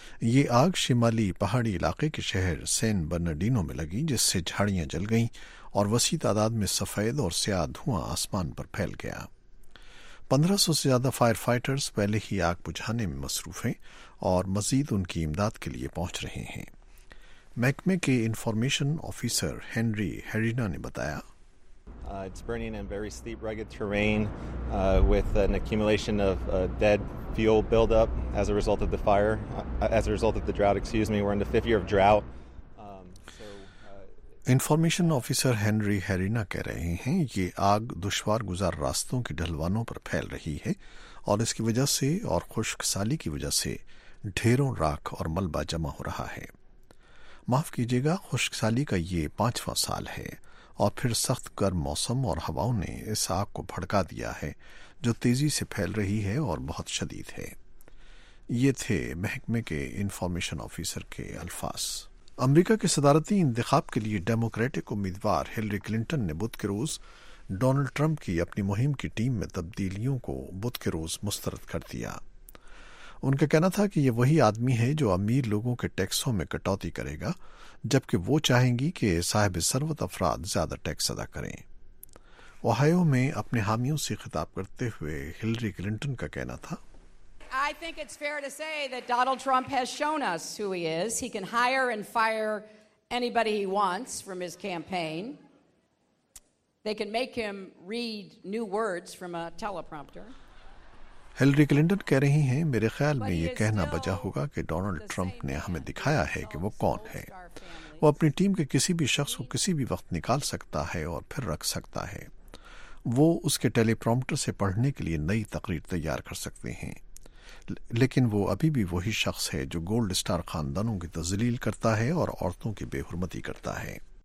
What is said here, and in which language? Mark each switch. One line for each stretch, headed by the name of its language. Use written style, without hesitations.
Urdu: یہ آگ شمالی پہاڑی علاقے کے شہر سین برنرڈینو میں لگی جس سے جھاڑیاں جل گئیں اور وسیع تعداد میں سفید اور سیاہ دھواں آسمان پر پھیل گیا۔ 1500 سے زیادہ فائر فائٹرز پہلے ہی آگ بجھانے میں مصروف ہیں اور مزید ان کی امداد کے لیے پہنچ رہے ہیں۔ محکمے کے انفارمیشن آفیسر ہینری ہیرینا نے بتایا،
English: It's burning in very steep, rugged terrain with an accumulation of dead fuel buildup as a result of the fire, as a result of the drought, excuse me. We're in the fifth year of drought.
Urdu: Information officer Henry ہیرینا کہہ رہے ہیں یہ آگ دشوار گزار راستوں کی ڈھلوانوں پر پھیل رہی ہے اور اس کی وجہ سے اور خشک سالی کی وجہ سے ڈھیروں راکھ اور ملبہ جمع ہو رہا ہے۔ معاف کیجیے گا، خشک سالی کا یہ پانچواں سال ہے اور پھر سخت گرم موسم اور ہواؤں نے اس آگ کو بھڑکا دیا ہے جو تیزی سے پھیل رہی ہے اور بہت شدید ہے۔ یہ تھے محکمے کے انفارمیشن آفیسر کے الفاظ۔ امریکہ کے صدارتی انتخاب کے لیے ڈیموکریٹک امیدوار ہلری کلنٹن نے بدھ کے روز ڈونلڈ ٹرمپ کی اپنی مہم کی ٹیم میں تبدیلیوں کو بدھ کے روز مسترد کر دیا۔ ان کا کہنا تھا کہ یہ وہی آدمی ہے جو امیر لوگوں کے ٹیکسوں میں کٹوتی کرے گا، جبکہ وہ چاہیں گی کہ صاحب ثروت افراد زیادہ ٹیکس ادا کریں۔ اوہایو میں اپنے حامیوں سے خطاب کرتے ہوئے ہلری کلنٹن کا کہنا تھا،
English: I think it's fair to say that Donald Trump has shown us who he is. He can hire and fire anybody he wants from his campaign. They can make him read new words from a teleprompter.
Urdu: Hillary Clinton کہہ رہی ہیں، میرے خیال میں یہ کہنا بجا ہوگا کہ ڈونلڈ ٹرمپ نے ہمیں دکھایا ہے کہ وہ کون ہے۔ وہ اپنی ٹیم کے کسی بھی شخص کو کسی بھی وقت نکال سکتا ہے اور پھر رکھ سکتا ہے۔ وہ اس کے ٹیلی پرومپٹر سے پڑھنے کے لیے نئی تقریر تیار کر سکتے ہیں، لیکن وہ ابھی بھی وہی شخص ہے جو گولڈ سٹار خاندانوں کی تذلیل کرتا ہے اور عورتوں کی بے حرمتی کرتا ہے۔